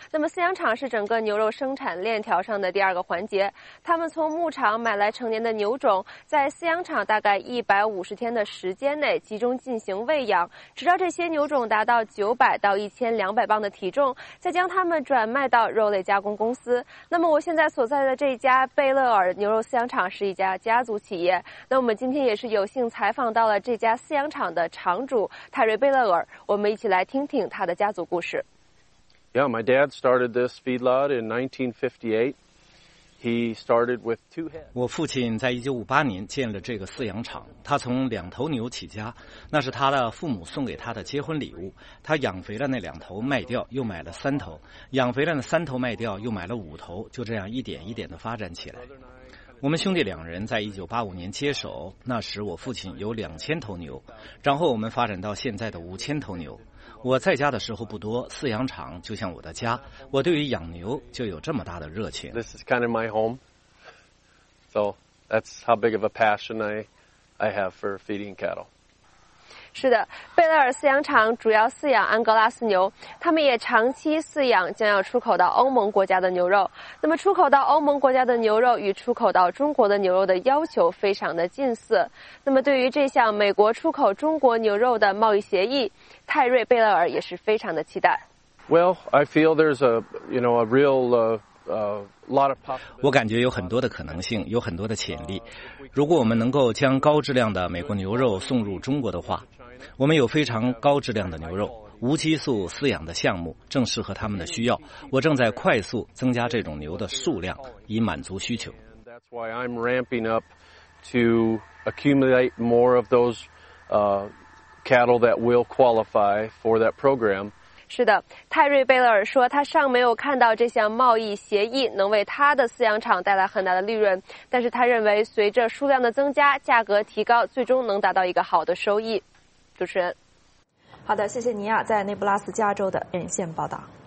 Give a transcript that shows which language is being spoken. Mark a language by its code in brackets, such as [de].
[zh] 那么饲养场是整个牛肉生产链条上的第二个环节，他们从牧场买来成年的牛种，在饲养场大概150天的时间内集中进行喂养，直到这些牛种达到900到1200磅的体重，再将它们转卖到肉类加工公司。那么我现在所在的这家贝勒尔牛肉饲养场是一家家族企业，那我们今天也是有幸采访到了这家饲养场的厂主泰瑞·贝勒尔，我们一起来听听他的家族故事。 [en] Yeah, my dad started this feedlot in 1958. He started with two heads. [zh] 我父亲在1958年建了这个饲养场，他从两头牛起家，那是他的父母送给他的结婚礼物。他养肥了那两头，卖掉又买了三头，养肥了那三头卖掉又买了五头，就这样一点一点的发展起来。我们兄弟两人在1985年接手，那时我父亲有2000头牛，然后我们发展到现在的5000头牛。我在家的时候不多，饲养场就像我的家，我对于养牛就有这么大的热情。 [en] This is kind of my home, so that's how big of a passion I have for feeding cattle. [zh] 是的，贝勒尔饲养场主要饲养安格拉斯牛，他们也长期饲养将要出口到欧盟国家的牛肉。那么出口到欧盟国家的牛肉与出口到中国的牛肉的要求非常的近似。那么对于这项美国出口中国牛肉的贸易协议，泰瑞·贝勒尔也是非常的期待。 [en] Well, I feel there's a, you know, a real, lot of possibility. [zh] 我感觉有很多的可能性，有很多的潜力。如果我们能够将高质量的美国牛肉送入中国的话，我们有非常高质量的牛肉，无激素饲养的项目正适合他们的需要。我正在快速增加这种牛的数量，以满足需求。 [en] That's why I'm ramping up to accumulate more of those cattle that will qualify for that program. [zh] 是的，泰瑞·贝勒尔说他尚没有看到这项贸易协议能为他的饲养场带来很大的利润，但是他认为随着数量的增加，价格提高，最终能达到一个好的收益。主持人。好的，谢谢尼亚在内布拉斯加州的连线报道。